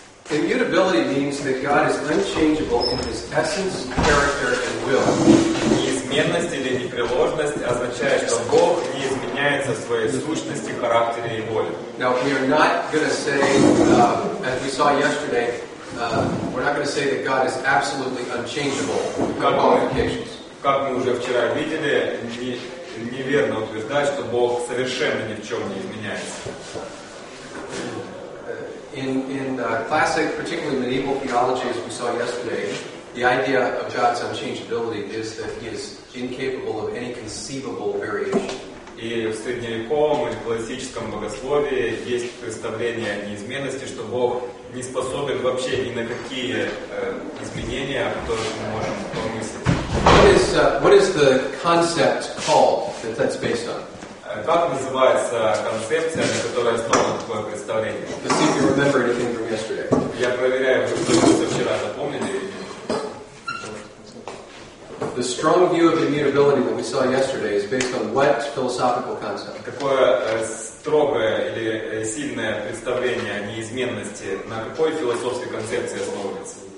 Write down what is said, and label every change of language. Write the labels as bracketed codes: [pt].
[en] Immutability means that God is unchangeable in his essence, character, and will. [ru] Неизменность или непреложность означает, что Бог не изменяется в своей сущности, характере и воле. [en] Now we are not going to say, as we saw yesterday, we're not going to say that God is absolutely unchangeable in qualifications. [ru] Как мы уже вчера видели, неверно утверждать, что Бог совершенно ни в чем не изменяется. [en] In classic, particularly medieval theology, as we saw yesterday, the idea of God's unchangeability is that he is incapable of any conceivable variation. [ru] И в средневековом или классическом богословии есть представление о неизменности, что Бог не способен вообще ни на какие изменения, о которых мы можем помыслить. [en] What is the concept called that's based on? [ru] Как называется концепция, на которой основано такое представление? [en] To see if you remember anything from yesterday. [ru] Я проверяю, вы что-нибудь вчера запомнили? [en] The strong view of immutability that we saw yesterday is based on what philosophical concept? [ru] Какое строгое или сильное представление о неизменности на какой философской концепции основывается?